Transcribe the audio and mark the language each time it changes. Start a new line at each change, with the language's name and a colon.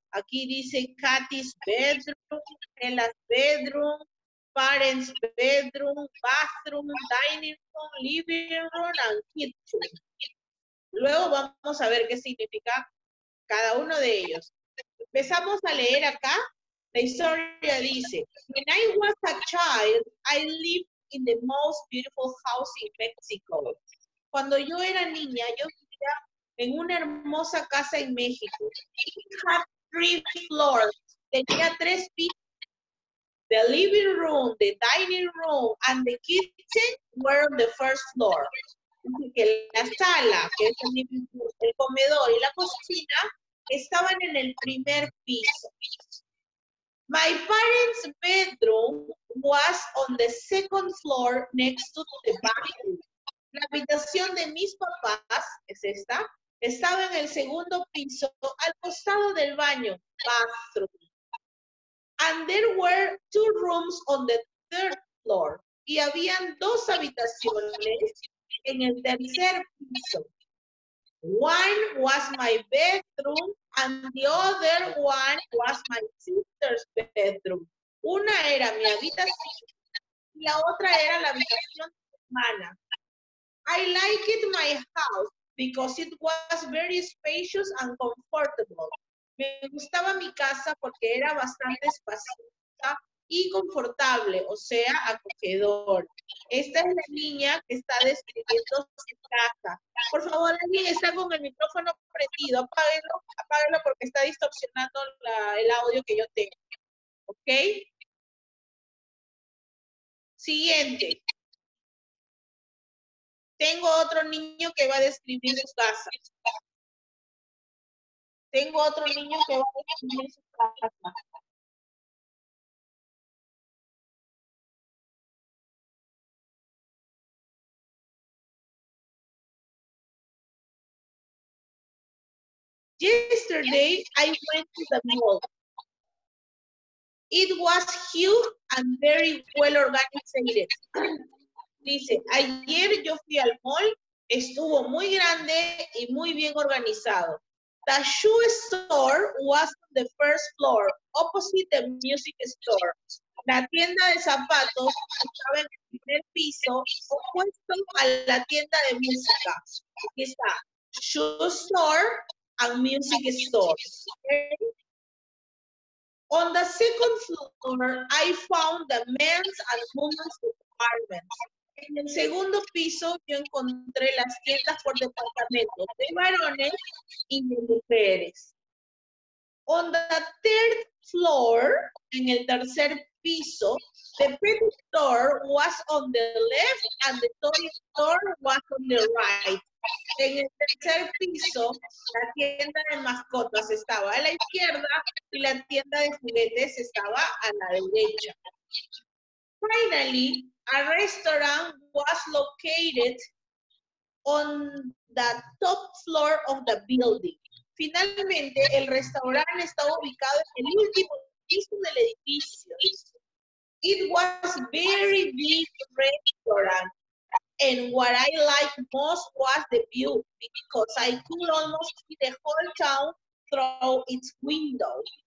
Spanish: Aquí dice
English: Katy's bedroom, Ella's bedroom, Parents bedroom, bathroom, dining room, living room, and kitchen.
Spanish: Luego vamos a ver qué significa cada uno de ellos. Empezamos a leer acá. La historia dice,
English: when I was a child, I lived in the most beautiful house in Mexico.
Spanish: Cuando yo era niña, yo vivía en una hermosa casa en México.
English: It had three floors.
Spanish: Tenía tres pisos.
English: The living room, the dining room, and the kitchen were on the first floor.
Spanish: Que la sala, que es el comedor y la cocina, estaban en el primer piso.
English: My parents' bedroom was on the second floor next to the bathroom.
Spanish: La habitación de mis papás, es esta, estaba en el segundo piso, al costado del baño, bathroom.
English: And there were two rooms on the third floor.
Spanish: Y habían dos habitaciones en el tercer piso.
English: One was my bedroom and the other one was my sister's bedroom.
Spanish: Una era mi habitación y la otra era la habitación de mi hermana.
English: I liked my house because it was very spacious and comfortable.
Spanish: Me gustaba mi casa porque era bastante espaciosa y confortable, o sea, acogedor. Esta es la niña que está describiendo su casa. Por favor, alguien está con el micrófono prendido, apáguelo, apáguelo porque está distorsionando el audio que yo tengo. ¿Ok? Siguiente. Tengo otro niño que va a describir su casa. Tengo otro niño que va a describir su casa.
English: Yesterday, I went to the mall. It was huge and very well organized.
Spanish: Dice, ayer yo fui al mall, estuvo muy grande y muy bien organizado.
English: The shoe store was on the first floor, opposite the music store.
Spanish: La tienda de zapatos estaba en el primer piso, opuesto a la tienda de música. Aquí está,
English: shoe store and music store. Okay. On the second floor, I found the men's and women's department.
Spanish: En el segundo piso yo encontré las tiendas por departamento de varones y de mujeres.
English: On the third floor,
Spanish: en el tercer piso,
English: the pet store was on the left and the toy store was on the right.
Spanish: En el tercer piso, la tienda de mascotas estaba a la izquierda y la tienda de juguetes estaba a la derecha.
English: Finally, a restaurant was located on the top floor of the building.
Spanish: Finalmente, el restaurante estaba ubicado en el último piso del edificio.
English: It was very big restaurant. And what I liked most was the view because I could almost see the whole town through its window.